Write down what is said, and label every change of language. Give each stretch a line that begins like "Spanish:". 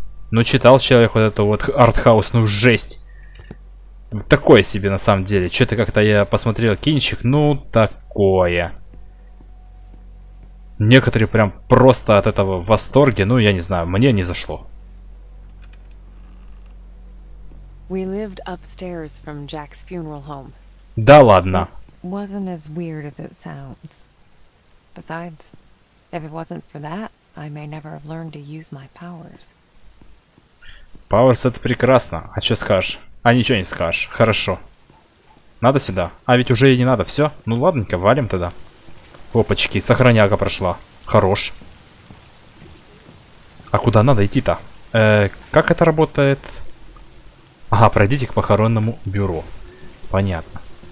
Russian: Ну, читал человек вот эту вот артхаусную жесть. Такое себе на самом деле. Чё-то как-то я посмотрел кинчик, ну, такое. Некоторые прям просто от этого в восторге, ну, я не знаю, мне не зашло.
English: We lived upstairs from Jack's funeral home.
Russian: Да ладно.
English: It wasn't as weird as it sounds. Besides, if it wasn't for that, I may never have learned to use my powers.
Russian: Powers — это прекрасно. А что скажешь? А ничего не скажешь. Хорошо. Надо сюда. А ведь уже и не надо. Все. Ну ладненько, валим тогда. Опачки, сохраняга прошла. Хорош. А куда надо идти-то? Как это работает? Ага, пройдите к похоронному бюро. Понятно.